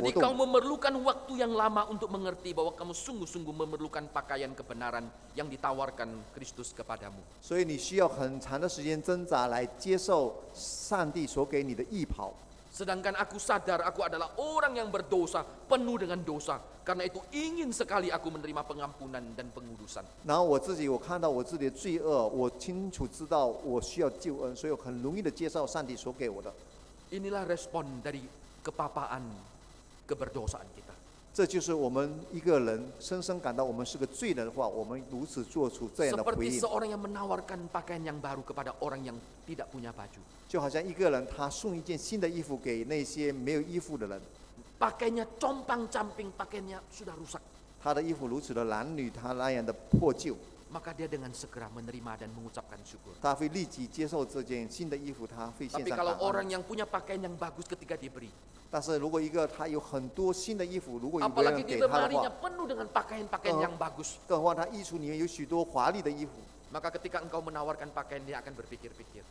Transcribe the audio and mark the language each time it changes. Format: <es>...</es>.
<id>Jadi kau memerlukan waktu yang lama untuk mengerti bahwa kamu sungguh-sungguh memerlukan pakaian kebenaran yang ditawarkan Kristus kepadamu.</id> <zh>所以你需要很长的时间挣扎来接受上帝所给你的义袍。</zh> <id>Sedangkan aku sadar aku adalah orang yang berdosa, penuh dengan dosa. Karena itu ingin sekali aku menerima pengampunan dan pengudusan.</id> <zh>Nah, 我自己看到我自己的罪恶，我清楚知道我需要救恩，所以很容易的接受上帝所给我的。</zh> <id>Inilah respon dari kepapaan keberdosaan kita.</id> <zh>这就是我们一个人深深感到我们是个罪人的话，我们如此做出这样的回应。</zh> <id>Seperti seorang yang menawarkan pakaian yang baru kepada orang yang tidak punya baju.</id> <zh>就好像一个人他送一件新的衣服给那些没有衣服的人。</zh> <id>Pakainya compang camping, pakainya sudah rusak.</id> <zh>他的衣服如此的褴褛，他那样的破旧。</zh> <id>Maka dia dengan segera menerima dan mengucapkan syukur.</id> <zh>他会立即接受这件新的衣服，他会献上。</zh> <id>Tapi kalau orang yang punya pakaian yang bagus ketika diberi.</id> <zh>但是如果一个他有很多新的衣服，如果有人给他的话，</zh> <id>apalagi di lemarinya penuh dengan pakaian-pakaian yang bagus.</id> <zh>的话，他衣橱里面有许多华丽的衣服。</zh> <id>Maka ketika engkau menawarkan pakaian, dia akan berpikir-pikir.</id>